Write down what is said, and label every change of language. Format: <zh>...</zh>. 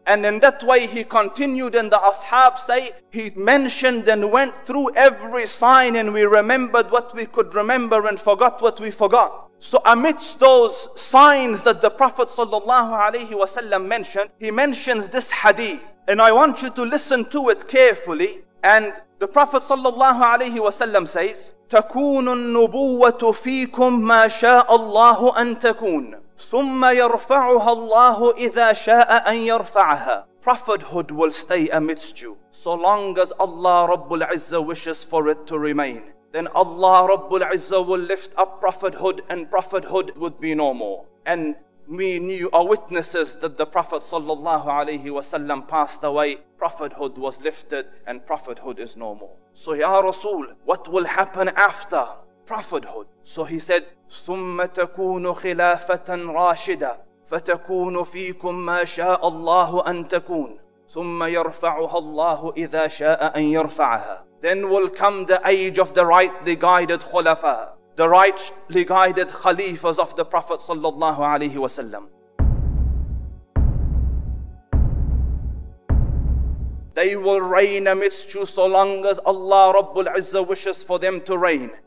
<en>And in that way he continued, and the ashab say he mentioned and went through every sign, and we remembered what we could remember and forgot what we forgot. So amidst those signs that the Prophet sallallahu alaihi wasallam mentioned, he mentions this hadith, and I want you to listen to it carefully. And the Prophet sallallahu alaihi wasallam says,</en> <ar>تكون النبوة فيكم ما شاء الله أن تكون ثم يرفعها الله إذا شاء أن يرفعها.</ar> <en>Prophethood will stay amidst you so long as Allah Rabbul Izzah wishes for it to remain. Then Allah Rabbul Izzah will lift up prophethood, and prophethood would be no more. And we knew, are witnesses, that the Prophet sallallahu alaihi wasallam passed away, prophethood was lifted, and prophethood is no more. So ya Rasul, what will happen after prophethood?</en> <ar>So he said, ثُمَّ تَكُونُ خِلَافَةً رَاشِدًا فَتَكُونُ فِيكُمْ مَا شَاءَ اللَّهُ أَن تَكُونَ ثُمَّ يَرْفَعُهَا اللَّهُ إِذَا شَاءَ أَن يَرْفَعَهَا.</ar> <en>Then will come the age of the rightly guided khulafa, the rightly guided khalifas of the Prophet sallallahu alaihi wasallam. They will reign amidst you so long as Allah Rabbul Izzah wishes for them to reign.</en>